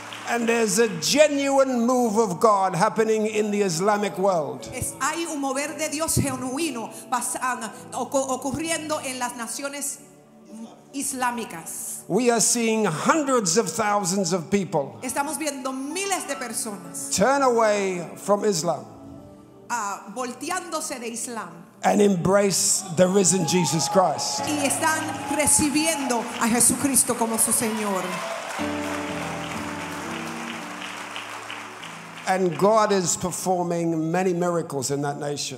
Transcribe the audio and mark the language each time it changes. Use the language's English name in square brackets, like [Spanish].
[English] And there's a genuine move of God happening in the Islamic world. [Spanish] Hay un mover de Dios genuino ocurriendo en las naciones islámicas. [English] We are seeing hundreds of thousands of people. [Spanish] Estamos viendo miles de personas. [English] Turn away from Islam. [Spanish] Volteándose de Islam. [English] And embrace the risen Jesus Christ. [Spanish] Y están recibiendo a Jesucristo como su Señor. [English] And God is performing many miracles in that nation.